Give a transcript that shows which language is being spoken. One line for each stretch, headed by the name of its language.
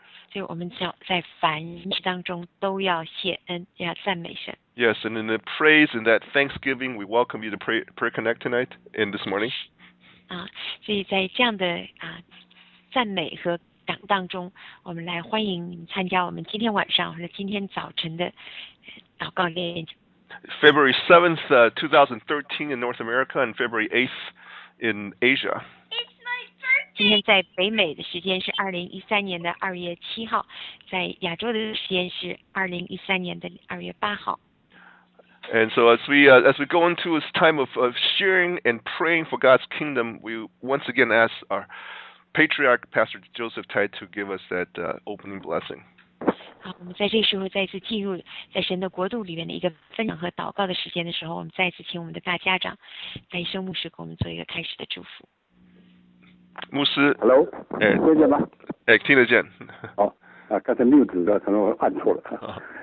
Chinese: 就我们在凡事当中都要谢恩，要赞美神。
English: Yes, and in the praise and that thanksgiving, we welcome you to prayer connect tonight and this morning.
Chinese: 所以在这样的赞美和当中，我们来欢迎你们参加我们今天晚上或者今天早晨的祷告练习。
English: February 7th, 2013 in North America, and February 8th in Asia. It's my
Chinese: 今天在北美的时间是2013年的2月7号，在亚洲的时间是2013年的2月8号。
English: And so as we go into this time of sharing and praying for God's kingdom, we once again ask our Patriarch Pastor Joseph Tai to give us that opening blessing.
Chinese: 好，我们在这时候再次进入在神的国度里面的一个分享和祷告的时间的时候，我们再次请我们的大家长戴生牧师给我们做一个开始的祝福。牧师， Hello，听见吗？听得见。好，刚才 mute 的，可能我按错了。